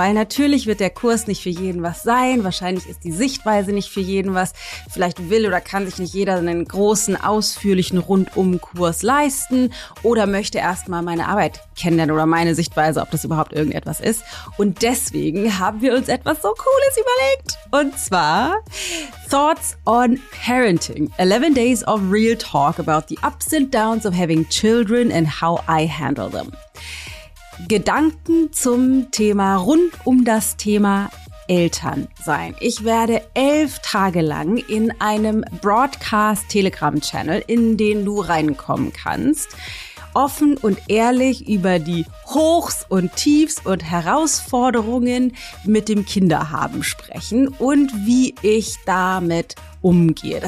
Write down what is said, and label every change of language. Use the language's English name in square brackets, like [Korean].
[German] Weil natürlich wird der Kurs nicht für jeden was sein. Wahrscheinlich ist die Sichtweise nicht für jeden was. Vielleicht will oder kann sich nicht jeder einen großen, ausführlichen Rundum-Kurs leisten. Oder möchte erstmal meine Arbeit kennenlernen oder meine Sichtweise, ob das überhaupt irgendetwas ist. Und deswegen haben wir uns etwas so Cooles überlegt. Und zwar Thoughts on Parenting. [English] 11 Days of Real Talk about the ups and downs of having children and how I handle them. [German] Gedanken zum Thema rund um das Thema Eltern sein. Ich werde 11 Tage lang in einem Broadcast-Telegram-Channel, in den du reinkommen kannst, offen und ehrlich über die Hochs und Tiefs und Herausforderungen mit dem Kinderhaben sprechen und wie ich damit umgehe.